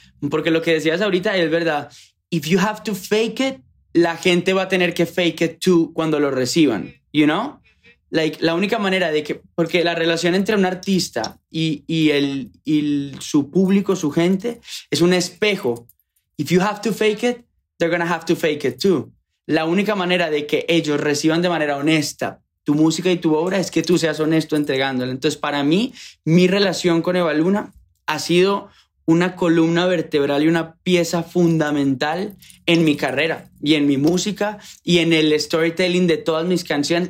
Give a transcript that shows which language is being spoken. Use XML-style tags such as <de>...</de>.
<es>Porque lo que decías ahorita es verdad.</es> <en>If you have to fake it,</en> <es>la gente va a tener que</es> <en>fake it too</en> <es>cuando lo reciban,</es> <en>you know?</en> <es>Like, la única manera de que... Porque la relación entre un artista y su público, su gente, es un espejo.</es> <en>If you have to fake it, they're gonna have to fake it too.</en> <es>La única manera de que ellos reciban de manera honesta tu música y tu obra es que tú seas honesto entregándola. Entonces, para mí, mi relación con Eva Luna ha sido una columna vertebral y una pieza fundamental en mi carrera y en mi música y en el storytelling de todas mis canciones.</es>